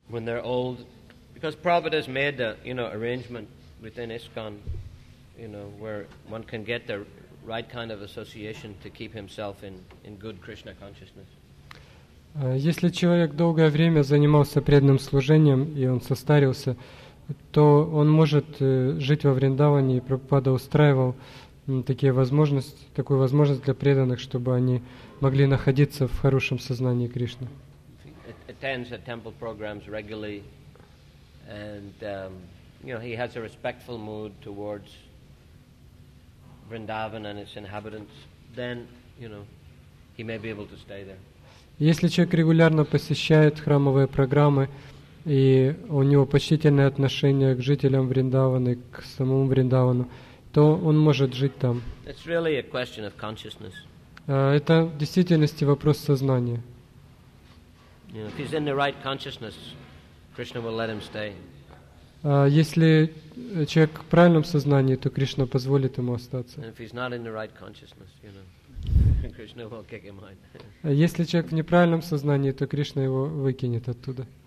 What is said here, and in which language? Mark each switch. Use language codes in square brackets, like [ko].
[en] when they're old, because Prabhupada has made the, you know, arrangement within ISKCON, you know, where one can get the right kind of association to keep himself in good Krishna consciousness. [ru] Если человек долгое время занимался преданным служением и он состарился, то он может жить во Вриндаване, и Прабхупада устраивал такую возможность для преданных, чтобы они могли находиться в хорошем сознании Кришны. [en] Attends the temple programs regularly, and you know, he has a respectful mood towards Vrindavan and its inhabitants. Then, you know, he may be able to stay there. [ru] Если человек регулярно посещает храмовые программы и у него почтительное отношение к жителям Вриндавана, к самому Вриндавану, то он может жить там. [en] It's really a question of consciousness. [ru] Это в действительности вопрос сознания. [en] You know, if he's in the right consciousness, Krishna will let him stay. [ru] Если человек в правильном сознании, то Кришна позволит ему остаться. [en] And if he's not in the right consciousness, you know, Krishna will kick him out. [ru] Если человек в неправильном сознании, то Кришна его выкинет оттуда.